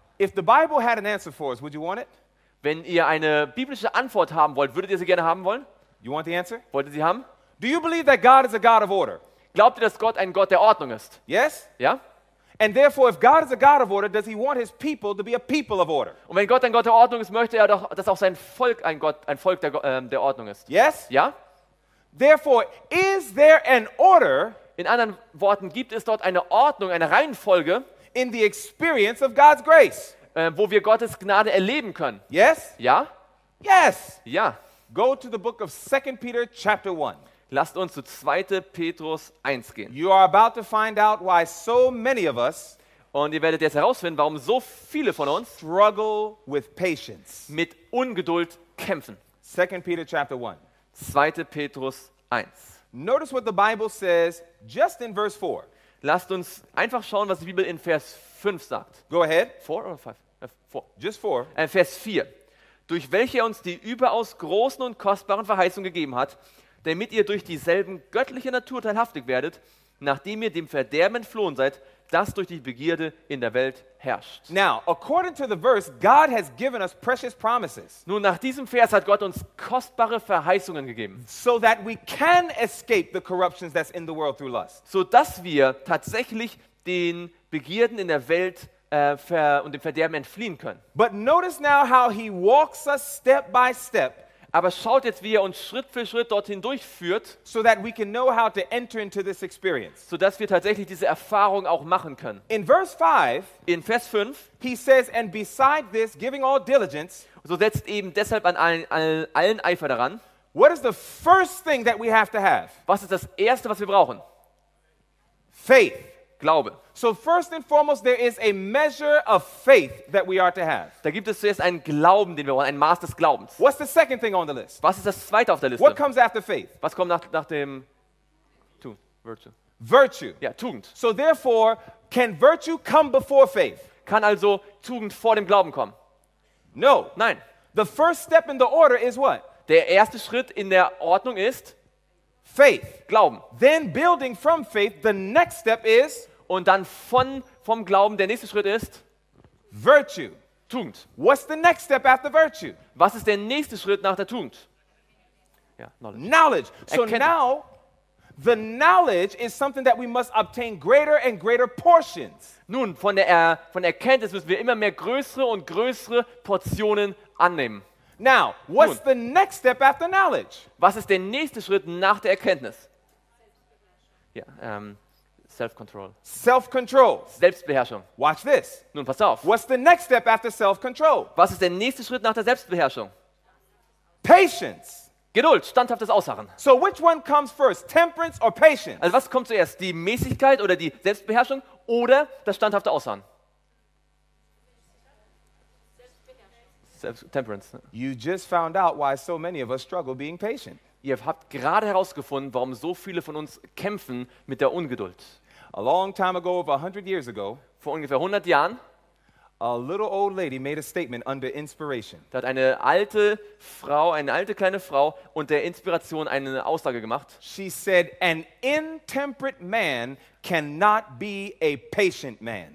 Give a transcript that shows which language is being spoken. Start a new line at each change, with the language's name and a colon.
English: If the Bible had an answer for us, would you want it?
German: Wenn ihr eine biblische Antwort haben wollt, würdet ihr sie gerne haben wollen?
English: You want the answer?
German: Wollt ihr sie haben?
English: Do you believe that God is a God of order?
German: Glaubt ihr, dass Gott ein Gott der Ordnung ist?
English: Yes?
German: Ja?
English: And therefore if God is a God of order, does he want his people to be a people of order?
German: Und wenn Gott ein Gott der Ordnung ist, möchte er doch, dass auch sein Volk ein Gott, ein Volk der der Ordnung ist.
English: Yes?
German: Ja?
English: Therefore is there an order?
German: In anderen Worten, gibt es dort eine Ordnung, eine Reihenfolge
English: in the experience of God's grace?
German: Wo wir Gottes Gnade erleben können.
English: Yes?
German: Ja?
English: Yes.
German: Ja.
English: Go to the book of 2 Peter chapter 1.
German: Lasst uns zu 2. Petrus 1 gehen.
English: You are about to find out why so many of us,
German: und ihr werdet jetzt herausfinden, warum so viele von uns
English: struggle with patience.
German: Mit Ungeduld kämpfen.
English: 2 Peter chapter 1.
German: 2. Petrus 1.
English: Notice what the Bible says just in verse 4.
German: Lasst uns einfach schauen, was die Bibel in Vers 5 sagt.
English: Go ahead.
German: 4 oder 5? 4.
English: Just 4.
German: Vers 4. Durch welche er uns die überaus großen und kostbaren Verheißungen gegeben hat, damit ihr durch dieselben göttliche Natur teilhaftig werdet, nachdem ihr dem Verderben entflohen seid, das durch die Begierde in der Welt herrscht.
English: Now, according to the verse, God has given us precious promises.
German: Nun, nach diesem Vers hat Gott uns kostbare Verheißungen gegeben.
English: So that we can escape the corruptions that's in the world through lust.
German: So dass wir tatsächlich den Begierden in der Welt und dem Verderben entfliehen können.
English: But notice now how he walks us step by step.
German: Aber schaut jetzt, wie er uns Schritt für Schritt dorthin durchführt,
English: so that we can know how to enter into this experience,
German: so dass wir tatsächlich diese Erfahrung auch machen können.
English: In verse 5,
German: in Vers 5,
English: he says, and beside this, giving all diligence,
German: so setzt eben deshalb an allen Eifer daran.
English: What is the first thing that we have to have?
German: Was ist das Erste, was wir brauchen?
English: Faith.
German: Glaube.
English: So first and foremost, there is a measure of faith that we are to have.
German: Da gibt es zuerst einen Glauben, den wir wollen, ein Maß des Glaubens.
English: What's the second thing on the list?
German: Was ist das Zweite auf der Liste?
English: What comes after faith?
German: Was kommt nach dem Tugend?
English: Virtue. Virtue.
German: Ja, Tugend.
English: So therefore, can virtue come before faith?
German: Kann also Tugend vor dem Glauben kommen?
English: No.
German: Nein.
English: The first step in the order is what?
German: Der erste Schritt in der Ordnung ist
English: faith.
German: Glauben.
English: Then building from faith, the next step is.
German: Und dann vom Glauben, der nächste Schritt ist
English: virtue.
German: Tugend.
English: What's the next step after virtue?
German: Was ist der nächste Schritt nach der Tugend? Ja,
English: knowledge.
German: Erkenntnis.
English: So now the knowledge is something that we must obtain greater and greater portions.
German: Nun, von der Erkenntnis müssen wir immer mehr größere und größere Portionen annehmen.
English: Now, what's the next step after knowledge?
German: Was ist der nächste Schritt nach der Erkenntnis?
English: Ja, self-control. Self-control.
German: Selbstbeherrschung.
English: Watch this.
German: Nun, pass auf.
English: What's the next step after self-control?
German: Was ist der nächste Schritt nach der Selbstbeherrschung?
English: Patience.
German: Geduld, standhaftes Ausharren.
English: So which one comes first, temperance or patience?
German: Also was kommt zuerst, die Mäßigkeit oder die Selbstbeherrschung oder das standhafte Ausharren?
English: Temperance. You just found out why so many of us struggle being patient.
German: Ihr habt gerade herausgefunden, warum so viele von uns kämpfen mit der Ungeduld.
English: A long time ago, over 100 years ago,
German: vor ungefähr 100 Jahren,
English: a little old lady made a statement under inspiration.
German: Da hat eine alte Frau, eine alte kleine Frau unter Inspiration eine Aussage gemacht.
English: She said, an intemperate man cannot be a patient man.